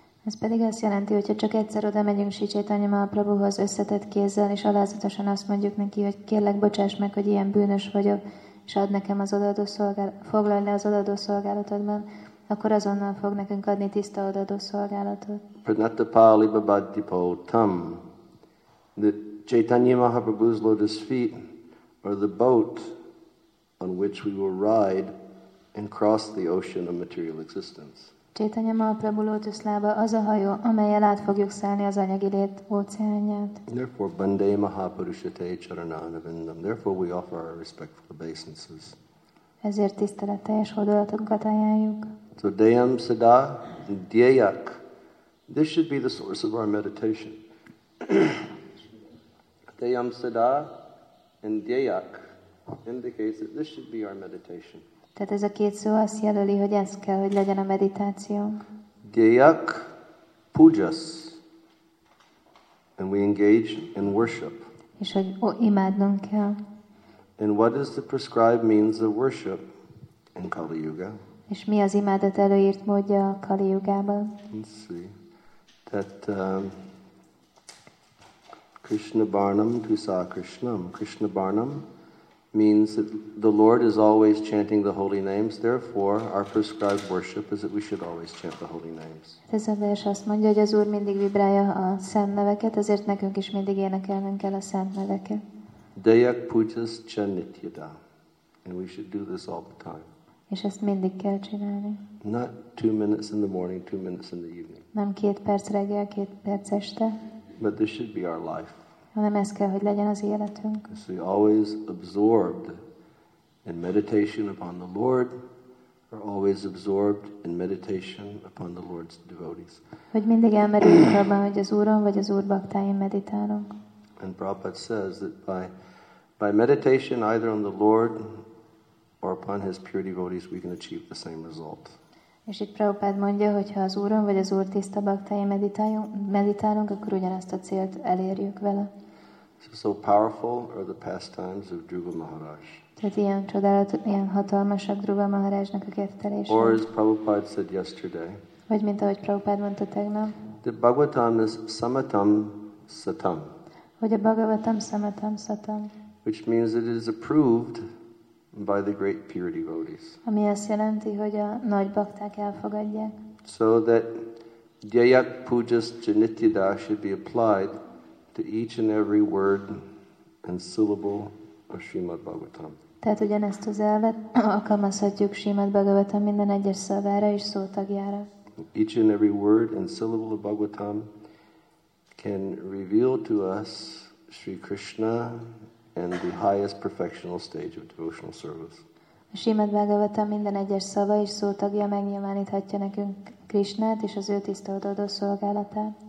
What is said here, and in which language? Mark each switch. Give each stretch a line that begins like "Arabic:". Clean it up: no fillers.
Hungarian: Ez pedig azt jelenti, hogyha csak egyszer oda megyünk Sri Chaitanya Mahaprabhuhoz összetett kézzel, és alázatosan azt mondjuk neki, hogy kérlek, bocsáss meg, hogy ilyen bűnös vagyok, és add nekem az odaadó szolgálatot, foglalj le az odaadó szolgálatodban, akkor azonnal fog nekünk adni tiszta odaadó szolgálatot.
Sanskrit: Pranatta pali babadipo tam.
English: The Chaitanya Mahaprabhu's lotus feet are the boat on which we will ride and cross the ocean of material existence.
Hungarian: Chaitanya Mahaprabhu lótuszlába az a hajó, amelyel át fogjuk szállni az anyagi lét óceánját.
English: Therefore,
Sanskrit: bande mahapurushate charanavindam.
English: Therefore, we offer our respectful obeisances.
Hungarian: Ezért tiszteleteljes hódolatunkat ajánljuk.
Sanskrit: So deyam sada dyeyak.
English: This should be the source of our meditation. Deyam sada and dyeyak indicates that this should be our meditation.
Hungarian: Tehát ez a két szó azt jelöli, hogy ez kell, hogy legyen a meditációnk.
Sanskrit: Dyeyak pujas.
English: And we engage in worship.
Hungarian: És hogy imádnunk kell.
English: And what is the prescribed means of worship in Kali Yuga?
Hungarian: És mi az imádat előírt módja a Kali Yugában?
English: Let's see. That
Sanskrit: Krishna Barnam Tusa Krishnam.
English: Krishna Barnam means that the Lord is always chanting the holy names. Therefore, our prescribed worship is that we should always chant the holy names.
Hungarian: Ez a vers azt mondja, hogy az Úr mindig vibrálja a szent neveket, ezért nekünk is mindig énekelnünk kell a szent neveket.
Sanskrit: Dayak pujas cha nityada.
English: And we should do this all the time.
Hungarian: És ezt mindig kell csinálni.
English: Not 2 minutes in the morning, 2 minutes in the evening.
Hungarian: Nem 2 perc reggel, 2 perc este.
English: But this should be our life.
Hungarian: Hanem ez kell, hogy legyen az életünk.
English: So we always absorbed in meditation upon the Lord, or always absorbed in meditation upon the Lord's devotees.
Hungarian: Hogy mindig elmerüljünk abban, hogy az Úron vagy az Úr baktáin meditálunk.
English: And Prabhupada says that by meditation either on the Lord or upon his pure devotees, we can achieve the same result.
Hungarian: És itt Prabhupád mondja, hogy ha az Úron vagy az Úr tiszta baktáin meditálunk, akkor ugyanazt a célt elérjük vele.
English: So powerful are the pastimes of Dhruva Maharaj.
Hungarian: Tehát ilyen csodálat, ilyen hatalmasak Dhruva Maharajnak a kettelése.
English: Or as Prabhupád said yesterday.
Hungarian: Vagy mint ahogy Prabhupád mondta tegnap.
English: The Bhagavatam is
Sanskrit: samatam satam.
Hungarian: Hogy a Bhagavatam
Sanskrit: samatam satam.
English: Which means it is approved by the great pure devotees.
Hungarian: Ami azt jelenti, hogy a nagy bakták elfogadják.
English: So that
Sanskrit: dyayak pujas janityada
English: should be applied to each and every word and syllable of Srimad Bhagavatam.
Hungarian: Tehát ugyanezt az elvet alkalmazhatjuk Srimad Bhagavatam minden egyes szavára és szótagjára.
English: Each and every word and syllable of Bhagavatam can reveal to us Sri Krishna and the highest perfectional stage of devotional service.
Hungarian: A Srimad Bhagavatam minden egyes szava és szótagja megnyilváníthatja nekünk Krishnát és az ő tiszta odaadó szolgálatát.